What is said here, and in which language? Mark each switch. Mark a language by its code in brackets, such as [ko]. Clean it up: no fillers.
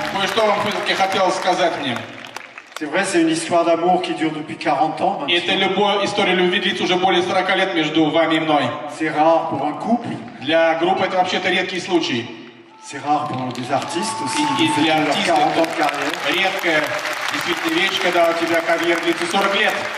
[ru] Вы что вам все-таки хотел сказать мне? [fr] C'est vrai, c'est une histoire d'amour qui dure depuis 40 ans. [ru] Это любовь, история любви длится уже более 40 лет между вами и мной. [fr] C'est rare pour un couple. [ru] Для группы это вообще-то редкий случай. [fr] C'est rare pour des artistes aussi. [ru] И для артистов редкая действительно вещь, когда у тебя карьера длится 40 лет.